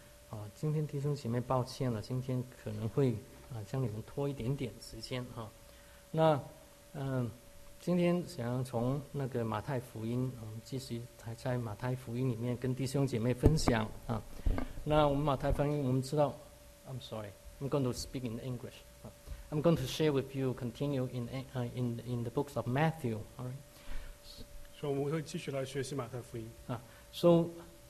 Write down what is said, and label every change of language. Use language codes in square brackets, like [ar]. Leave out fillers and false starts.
[zh] 啊，今天弟兄姐妹，抱歉了，今天可能会啊将你们拖一点点时间哈、啊。那今天想要从那个马太福音，我们继续还在马太福音里面跟弟兄姐妹分享啊。那我们马太福音，我们知道 ， [en] I'm sorry。I'm going to speak in English. I'm going to share with you, continue in the books of Matthew. All right. [zh] So, 我们会继续来学习马太福音。